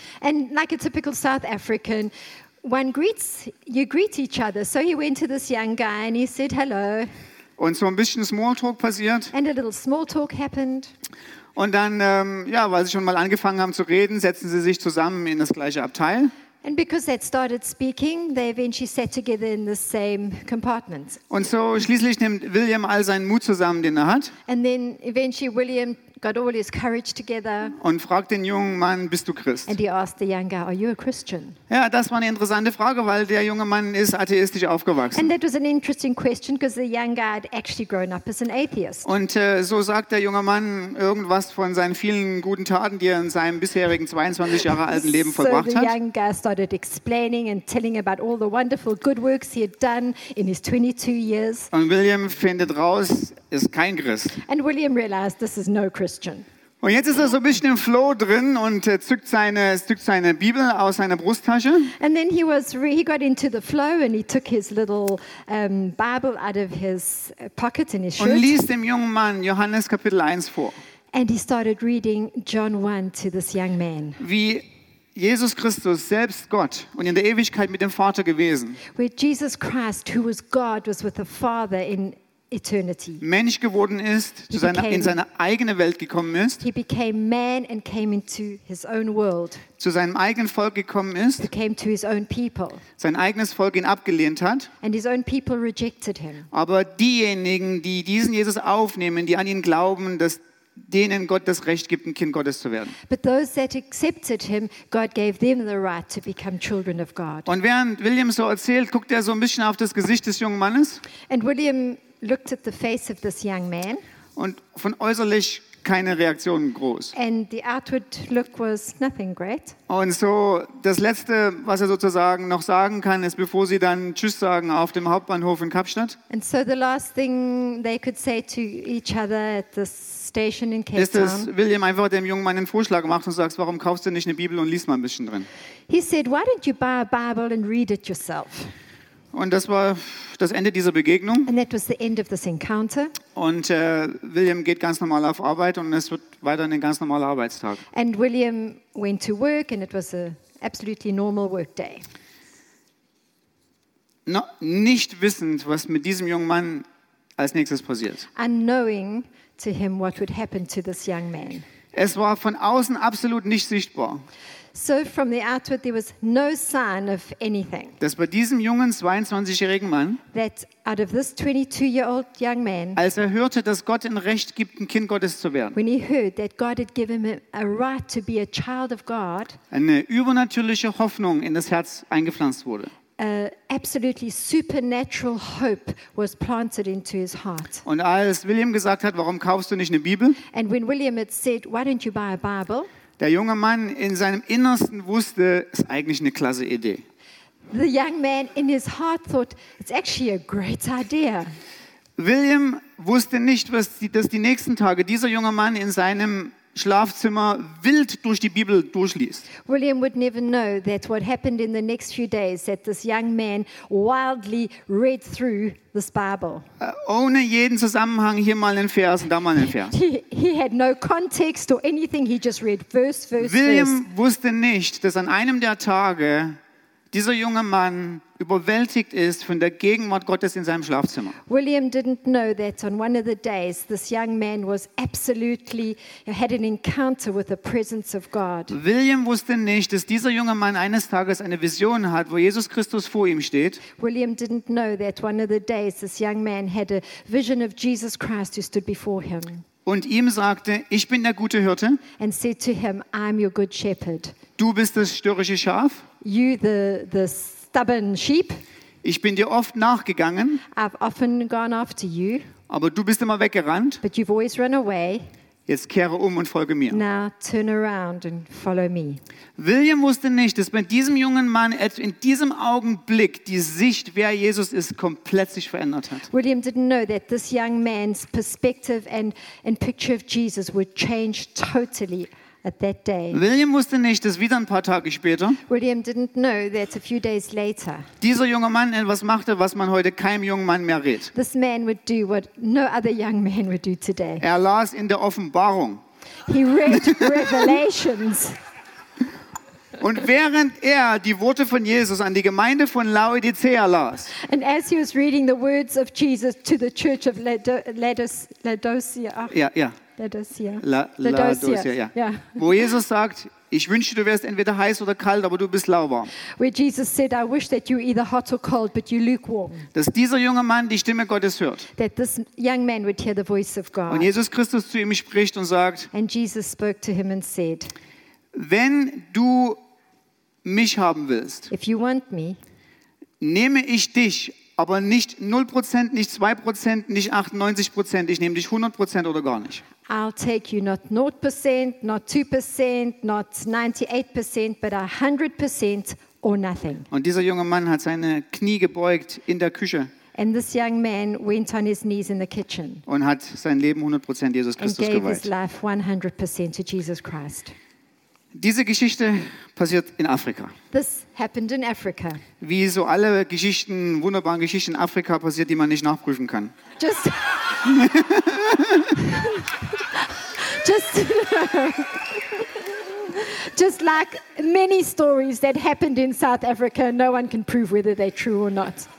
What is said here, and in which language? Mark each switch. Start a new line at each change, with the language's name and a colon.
English: And like a typical South African, one greets, you greet each other. So he went to this young guy and he said hello.
German: Und so ein bisschen Smalltalk passiert.
English: And a little Smalltalk happened.
German: Und dann, weil sie schon mal angefangen haben zu reden, setzen sie sich zusammen in das gleiche Abteil.
English: And because they started speaking, they eventually sat together in the same compartment.
German: Und so schließlich nimmt William all seinen Mut zusammen, den er hat.
English: And then eventually William got all his courage together.
German: Und fragt den jungen Mann, bist du Christ?
English: And he asked the young guy, are you a Christian?
German: Ja, das war eine interessante Frage, weil der junge Mann ist atheistisch aufgewachsen.
English: And that was an interesting question, because the young guy had actually grown up as an atheist.
German: Und so sagt der junge Mann irgendwas von seinen vielen guten Taten, die er in seinem bisherigen 22 Jahre alten Leben vollbracht hat.
English: So the young guy started explaining and telling about all the wonderful good works he had done in his 22 years.
German: Und William findet raus, ist kein Christ.
English: And William realized, this is no Christian. Christian.
German: Und jetzt ist er so ein bisschen im Flow drin und zückt seine Bibel aus seiner Brusttasche.
English: And then he got into the flow and he took his little Bible out of his pocket in his shirt.
German: Und liest dem jungen Mann Johannes Kapitel 1 vor.
English: And he started reading John 1 to this young man.
German: Wie Jesus Christus selbst Gott und in der Ewigkeit mit dem Vater gewesen.
English: Where Jesus Christ, who was God, was with the Father in eternity.
German: Mensch geworden ist, in seine eigene Welt gekommen ist.
English: He became man and came into his own world.
German: Zu seinem eigenen Volk gekommen ist.
English: He came to his own people.
German: Sein eigenes Volk ihn abgelehnt hat.
English: And his own people rejected him.
German: Aber diejenigen, die diesen Jesus aufnehmen, die an ihn glauben, dass denen Gott das Recht gibt, ein Kind Gottes zu werden.
English: But those that accepted him, God gave them the right to become children of God.
German: Und während William so erzählt, guckt er so ein bisschen auf das Gesicht des jungen Mannes.
English: And William looked at the face of this young man.
German: Und von äußerlich keine Reaktion groß.
English: And the outward look was nothing great.
German: Und so das Letzte, was er sozusagen noch sagen kann, ist, bevor sie dann Tschüss sagen auf dem Hauptbahnhof in Kapstadt.
English: And so the last thing they could say to each other at this station in Cape Town.
German: Ist es, William einfach dem jungen Mann einen Vorschlag macht und sagt, warum kaufst du nicht eine Bibel und liest mal ein bisschen drin?
English: He said, why don't you buy a Bible and read it yourself?
German: Und das war das Ende dieser Begegnung.
English: And that was the end of this encounter.
German: Und William geht ganz normal auf Arbeit und es wird weiter ein ganz normaler Arbeitstag.
English: And William went to work and it was a absolutely normal work day.
German: Nicht wissend, was mit diesem jungen Mann als nächstes passiert.
English: Unknowing to him what would happen to this young man.
German: Es war von außen absolut nicht sichtbar.
English: So from the outward there was no sign of anything.
German: Dass bei diesem jungen 22-jährigen Mann,
English: that out of this 22-year-old young man,
German: als er hörte, dass Gott ein Recht gibt, ein Kind Gottes zu werden,
English: when he heard that God had given him a right to be a child of God,
German: eine übernatürliche Hoffnung in das Herz eingepflanzt wurde.
English: A absolutely supernatural hope was planted into his heart.
German: Und als William gesagt hat, warum kaufst du nicht eine Bibel?
English: And when William had said, why don't you buy a Bible?
German: Der junge Mann in seinem Innersten wusste, es ist eigentlich eine klasse Idee.
English: The young man in his heart thought, it's actually a great idea.
German: William wusste nicht, dass die nächsten Tage dieser junge Mann in seinem Schlafzimmer wild durch die Bibel durchliest.
English: William would never know that what happened in the next few days that this young man wildly read through this Bible.
German: Ohne jeden Zusammenhang, hier mal einen Vers und da mal einen Vers.
English: He had no context or anything, he just read verse.
German: William wusste nicht, dass an einem der Tage dieser junge Mann überwältigt ist von der Gegenwart Gottes in seinem Schlafzimmer.
English: William didn't know that on one of the days this young man was absolutely had an encounter with the presence of God.
German: William wusste nicht, dass dieser junge Mann eines Tages eine Vision hat, wo Jesus Christus vor ihm steht.
English: William didn't know that one of the days this young man had a vision of Jesus Christ who stood before him.
German: Und ihm sagte, ich bin der gute Hirte.
English: And said to him, I'm your good shepherd.
German: Du bist das störrische Schaf.
English: You the stubborn sheep.
German: Ich bin dir oft nachgegangen.
English: I've often gone after you.
German: Aber du bist immer weggerannt.
English: But you've always run away.
German: Jetzt kehre um und folge mir.
English: Now turn around and follow me.
German: William wusste nicht, dass bei diesem jungen Mann in diesem Augenblick die Sicht, wer Jesus ist, komplett sich verändert hat.
English: William didn't know that this young man's perspective and picture of Jesus would change totally. At that day.
German: William wusste nicht, dass wieder ein paar Tage später
English: William didn't know that a few days later,
German: dieser junge Mann etwas machte, was man heute keinem jungen Mann mehr rät.
English: This man would do what no other young man would do today.
German: Er las in der Offenbarung.
English: He read Revelations.
German: Und während er die Worte von Jesus an die Gemeinde von Laodicea las,
English: and as he was reading the words of Jesus to the church of Laodicea. Laodicea.
German: Wo Jesus sagt, ich wünschte, du wärst entweder heiß oder kalt, aber du bist lauwarm.
English: Where Jesus said, I wish that you were either hot or cold, but you're lukewarm.
German: Dass dieser junge Mann die Stimme Gottes hört.
English: That this young man would hear the voice of God.
German: Und Jesus Christus zu ihm spricht und sagt,
English: and Jesus spoke to him and said,
German: wenn du mich haben willst,
English: if you want me,
German: nehme ich dich. Aber nicht 0%, nicht 2%, nicht 98%. Ich nehme dich 100% oder gar nicht.
English: I'll take you not 0%, not 2%, not 98%, but 100% or nothing.
German: Und dieser junge Mann hat seine Knie gebeugt in der Küche.
English: And this young man went on his knees in the kitchen.
German: Und hat sein Leben 100% Jesus Christus geweiht.
English: And gave his life 100% to Jesus Christ.
German: Diese Geschichte passiert in Afrika.
English: This happened in Africa.
German: Wie so alle Geschichten, wunderbaren Geschichten in Afrika passiert, die man nicht nachprüfen kann.
English: Just just like many stories that happened in South Africa, no one can prove whether they're true or not.